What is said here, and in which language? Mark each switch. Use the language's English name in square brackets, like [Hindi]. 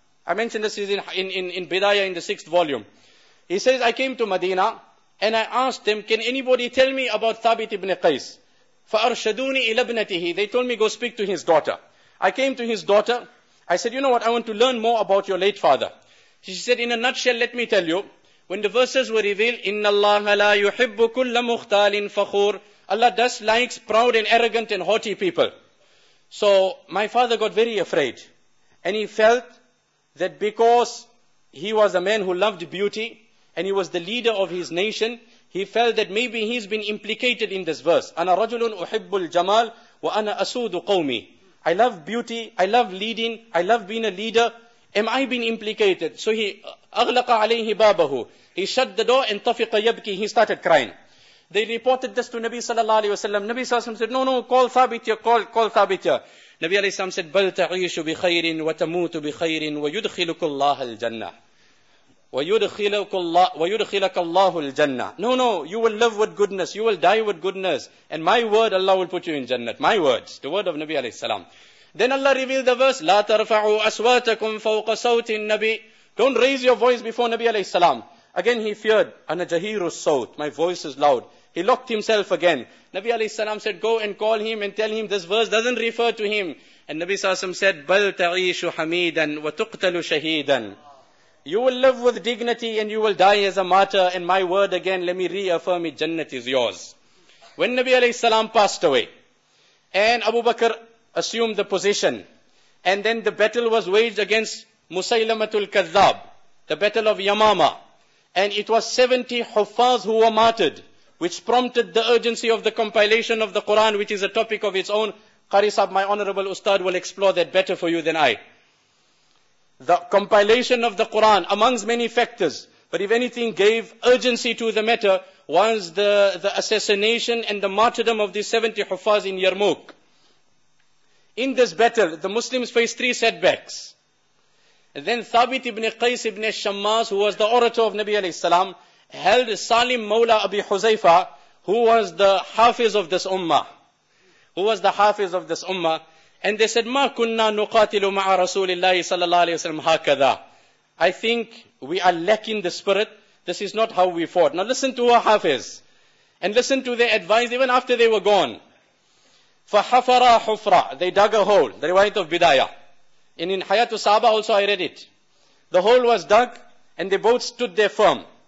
[English] I mentioned this in Bidayah, in the sixth volume. He says, I came to Medina and I asked them, can anybody tell me about Thabit ibn Qais? [Arabic] فَأَرْشَدُونِ إِلَبْنَتِهِ. [English] They told me, go speak to his daughter. I came to his daughter. I said, you know what? I want to learn more about your late father. She said, in a nutshell, let me tell you. When the verses were revealed, [Arabic] إِنَّ اللَّهَ لَا يُحِبُّ كُلَّ مُخْتَالٍ فَخُورٍ. [English] Allah does likes proud and arrogant and haughty people. So my father got very afraid. And he felt that because he was a man who loved beauty and he was the leader of his nation, he felt that maybe he's been implicated in this verse. [Arabic] أَنَا رَجُلٌ أُحِبُّ الْجَمَالِ وَأَنَا أَسُودُ قَوْمِي. [English] I love beauty, I love leading, I love being a leader. Am I being implicated? So he [Arabic] أَغْلَقَ عَلَيْهِ بَابَهُ. [English] He shut the door and [Arabic] طَفِقَ يَبْكِي. [English] He started crying. They reported this to Nabi sallallahu alayhi wa sallam. Nabi sallallahu alayhi wa sallam said, no, call Thabit here, call Thabit here. Nabi alayhi wa sallam said, [Arabic] بَلْ تَعِيشُ بِخَيْرٍ وَتَمُوتُ بِخَيْرٍ وَيُدْخِلُكُ اللَّهَ الْجَنَّةِ. وَيُدْخِلَكَ اللَّهُ الْجَنَّةِ. [English] No, you will live with goodness, you will die with goodness, and my word, Allah will put you in Jannah. My words, the word of Nabi alayhi salam. Then Allah revealed the verse, [Arabic] لَا تَرْفَعُوا أَسْوَاتَكُمْ فَوْقَ صَوْتِ النَّبِيِّ. [English] Don't raise your voice before Nabi alayhi salam. Again he feared, [Arabic] أَنَا جَهِيرُ الصَّوْتِ. [English] My voice is loud. He locked himself again. Nabi alayhi salam said, go and call him and tell him this verse doesn't refer to him. And Nabi sallam said, [Arabic] بَلْ تَعِيشُ حَمِيدًا وَتُقْتَلُ شَهِيدًا. [English] You will live with dignity and you will die as a martyr. And my word again, let me reaffirm it, Jannat is yours. When Nabi alayhi salam passed away, and Abu Bakr assumed the position, and then the battle was waged against Musaylamatul Kadhab, the battle of Yamama, and it was 70 Huffaz who were martyred, which prompted the urgency of the compilation of the Quran, which is a topic of its own. Qari sahab, my honorable ustad, will explore that better for you than I. The compilation of the Quran, amongst many factors, but if anything gave urgency to the matter, was the assassination and the martyrdom of the 70 Huffaz in Yarmouk. In this battle, the Muslims faced three setbacks. And then Thabit ibn Qais ibn Shammas, who was the orator of Nabi alayhi salam, held Salim Mawla Abi Huzaifa, who was the hafiz of this ummah. And they said, [Arabic] مَا كُنَّا نُقَاتِلُ مَعَ رَسُولِ اللَّهِ صَلَى اللَّهِ عَلَيْهِ وَسَلَّمْ هَكَذَا. [English] I think we are lacking the spirit. This is not how we fought. Now listen to our hafiz. And listen to their advice even after they were gone. [Arabic] فَحَفَرَا حُفْرَا. [English] They dug a hole. The riwayat of Bidayah. And in Hayatul Sahaba also I read it. The hole was dug and they both stood there firm.